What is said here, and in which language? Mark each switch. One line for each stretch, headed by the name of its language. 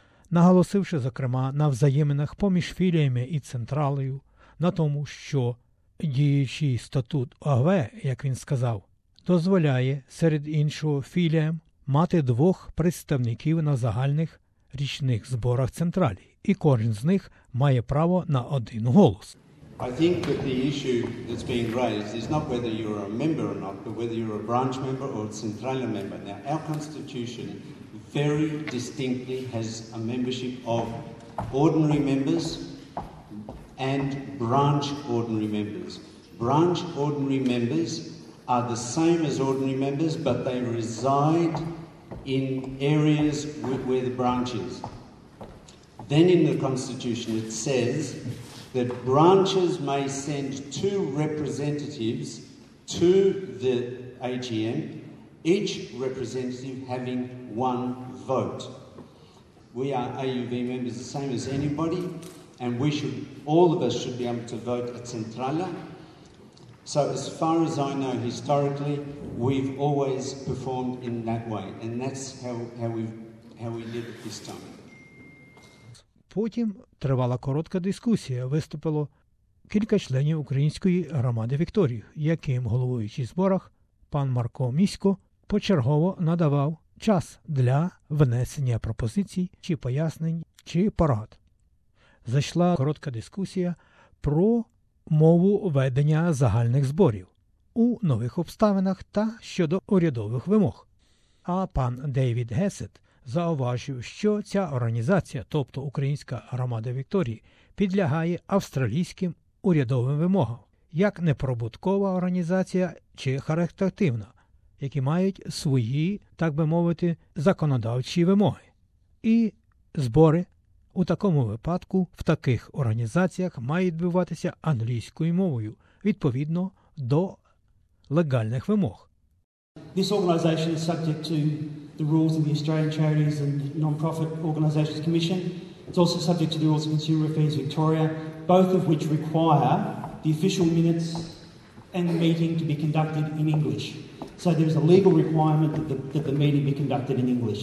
Ukrainian: Наголосивши, зокрема, на взаєминах поміж філіями і централою, на тому, що діючий статут УГВ, як він сказав, дозволяє, серед іншого, філіям мати двох представників на загальних річних зборах Централі, і кожен з них має право на один голос.
English: I think that the issue that's being raised is not whether you're a member or not, but whether you're a branch member or a Centralia member. Now, our constitution very distinctly has a membership of ordinary members and branch ordinary members. Branch ordinary members are the same as ordinary members, but they reside in areas where the branch is. Then in the Constitution it says that branches may send two representatives to the AGM, each representative having one vote. We are AUV members, the same as anybody, and we should, all of us should be able to vote at Centralia. So as far as I know, historically, we've always performed in that way. And that's how we live at this time.
Ukrainian: Потім тривала коротка дискусія. Виступило кілька членів Української громади Вікторії, яким головуючий в зборах пан Марко Місько почергово надавав час для внесення пропозицій чи пояснень, чи порад. Зайшла коротка дискусія про мову ведення загальних зборів у нових обставинах та щодо урядових вимог. А пан Дейвід Гесет зауважив, що ця організація, тобто Українська громада Вікторії, підлягає австралійським урядовим вимогам, як непробуткова організація чи характерна, які мають свої, так би мовити, законодавчі вимоги. І збори у такому випадку в таких організаціях мають відбуватися англійською мовою, відповідно до легальних вимог.
English: This organization is subject to the rules of the Australian Charities and Non-Profit Organizations Commission. It's also subject to the rules of Consumer Affairs Victoria, both of which require the official minutes and the meeting to be conducted in English. So there's a legal requirement that the meeting be conducted in English.